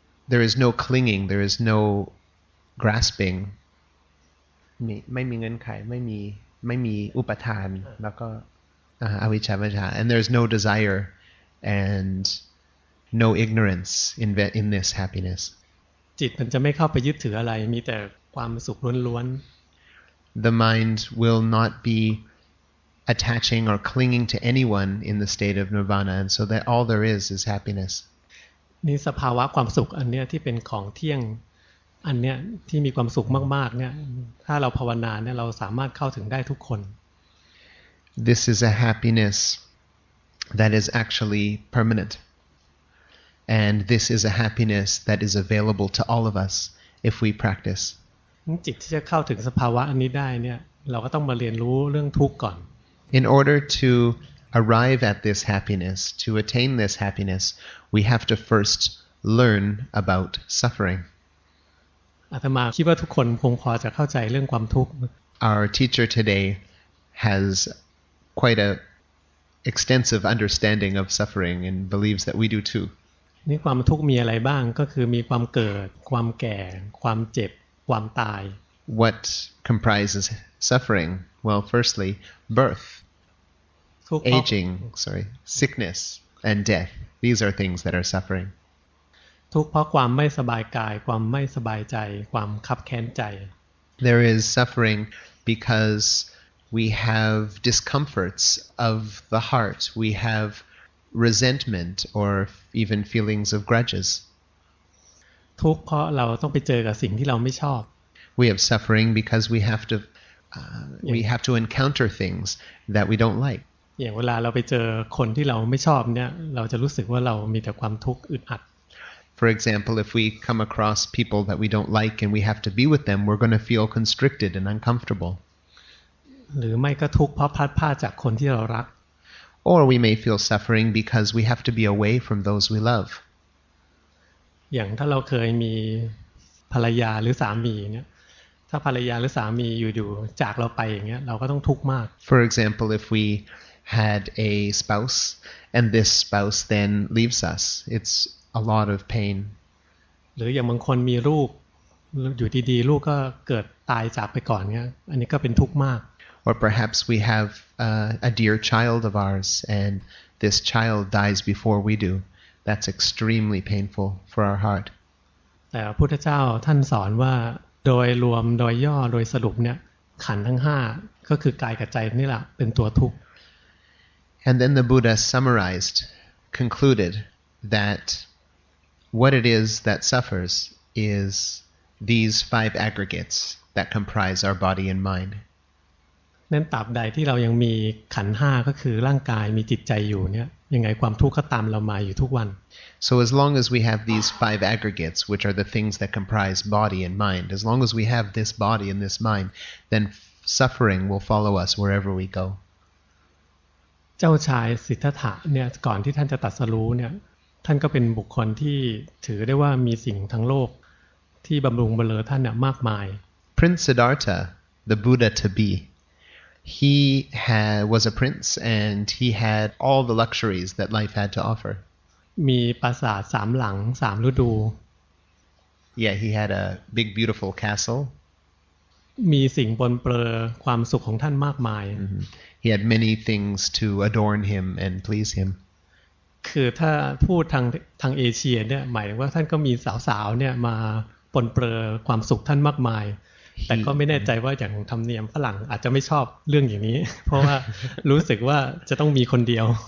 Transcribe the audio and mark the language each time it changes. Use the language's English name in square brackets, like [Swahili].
[English] There is no clinging, there is no grasping. [Thai] ไม่มีเงื่อนไขไม่มีอุปทานแล้วก็ อวิชชาไม่ใช่ [English] and there's no desire and no ignorance in this happiness. [Thai] จิตมันจะไม่เข้าไปยึดถืออะไรมีแต่ความสุขล้วน [English] ๆ The mind will not be attaching or clinging to anyone in the state of nirvana and so that all there is happiness. [Thai] นี่สภาวะความสุขอันเนี้ยที่เป็นของเที่ยงอันเนี้ยที่มีความสุขมากๆเนี่ยถ้าเราภาวนาเนี่ยเราสามารถเข้าถึงได้ทุกคน [English] This is a happiness that is actually permanent and this is a happiness that is available to all of us if we practice [Thai] จิตที่จะเข้าถึงสภาวะอันนี้ได้เนี่ยเราก็ต้องมาเรียนรู้เรื่องทุกข์ก่อน [English] In order to arrive at this happiness to attain this happinessWe have to first learn about suffering. [Thai] Atama, คิดว่าทุกคนคงพอจะเข้าใจเรื่องความทุกข์ [English] Our teacher today has quite a extensive understanding of suffering and believes that we do too. [Thai] นี่ความทุกข์มีอะไรบ้างก็คือมีความเกิดความแก่ความเจ็บความตาย [English] What comprises suffering? Well, firstly, birth, aging, sickness and death. These are things that are suffering. [Thai] ทุกข์เพราะความไม่สบายกายความไม่สบายใจความคับแค้นใจ [English] There is suffering because we have discomforts of the heart. We have resentment or even feelings of grudges. [Thai] ทุกข์เพราะเราต้องไปเจอกับสิ่งที่เราไม่ชอบ [English] We have suffering because we have to we have to encounter things that we don't like. [Thai] อย่างเวลาเราไปเจอคนที่เราไม่ชอบเนี่ยเราจะรู้สึกว่าเรามีแต่ความทุกข์อึดอัด [English] For example if we come across people that we don't like and we have to be with them we're going to feel constricted and uncomfortable [Thai] หรือไม่ก็ทุกข์เพราะพลัดพรากจากคนที่เรารัก [English] Or we may feel suffering because we have to be away from those we love [Thai] อย่างถ้าเราเคยมีภรรยาหรือสามีเนี่ยถ้าภรรยาหรือสามีอยู่ๆจากเราไปอย่างเงี้ยเราก็ต้องทุกข์มาก [English] For example if weHad a spouse, and this spouse then leaves us. It's a lot of pain. [Thai] หรืออย่างบางคนมีลูกอยู่ดีๆลูกก็เกิดตายจากไปก่อนเนี่ยอันนี้ก็เป็นทุกข์มาก [English] Or perhaps we have a dear child of ours, and this child dies before we do. That's extremely painful for our heart. [Thai] แต่พระพุทธเจ้าท่านสอนว่าโดยรวมโดยย่อโดยสรุปเนี่ยขันธ์ทั้ง5ก็คือกายกับใจนี่แหละเป็นตัวทุกข์ [English] And then the Buddha summarized, concluded that what it is that suffers is these five aggregates that comprise our body and mind. [Thai] นั้นตราบใดที่เรายังมีขันธ์5ก็คือร่างกายมีจิตใจอยู่เนี่ยยังไงความทุกข์ก็ตามเรามาอยู่ทุกวัน [English] So as long as we have these five aggregates, which are the things that comprise body and mind, as long as we have this body and this mind, then suffering will follow us wherever we go. [Thai] เจ้าชายสิทธัตถะเนี่ยก่อนที่ท่านจะตรัสรู้เนี่ยท่านก็เป็นบุคคลที่ถือได้ว่ามีสิ่งทั้งโลกที่บำรุงบำเรอท่านเนี่ยมากมาย [English] Prince Siddhartha the Buddha to be he had was a prince and he had all the luxuries that life had to offer [Thai] มีปราสาท3หลัง3ฤดู [English] Yeah he had a big beautiful castle [Thai] มีสิ่งปนเปื้อความสุขของท่านมากมาย [English] He had many things to adorn him and please him. [Thai] คือถ้าพูดทางเอเชียเนี่ยหมายถึงว่าท่านก็มีสาวๆเนี่ยมาปนเปื้อความสุขท่านมากมายแต่ก็ไม่แน่ใจว่าอย่างธรรมเนียมฝรั่งอาจจะไม่ชอบเรื่องอย่างนี้เพราะว่ารู้สึกว่าจะต้องมีคนเดียว